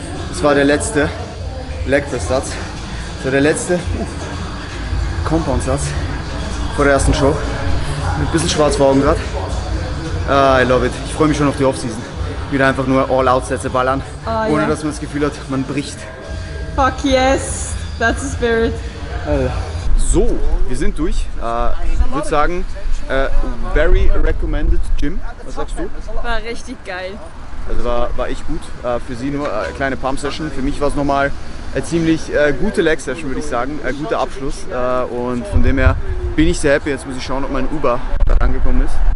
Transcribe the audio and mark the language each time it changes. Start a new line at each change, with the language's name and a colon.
German: Das war der letzte Leg Press Satz. Das war der letzte Compound Satz vor der ersten Show. Mit ein bisschen schwarz vor Augen gerade.
English: I love it.
German: Ich freue mich schon auf die Offseason. Wieder einfach nur All-Out-Sätze ballern, ohne dass man das Gefühl hat, man bricht.
English: Fuck yes, that's the spirit.
German: So, wir sind durch. Ich würde sagen,
English: very recommended gym.
German: Was sagst du? War richtig geil. Also war echt gut. Für sie nur eine kleine Pump-Session. Für mich war es nochmal eine ziemlich gute Leg-Session, würde ich sagen. Ein guter Abschluss. Und von dem her bin ich sehr happy. Jetzt muss ich schauen, ob mein Uber da angekommen ist.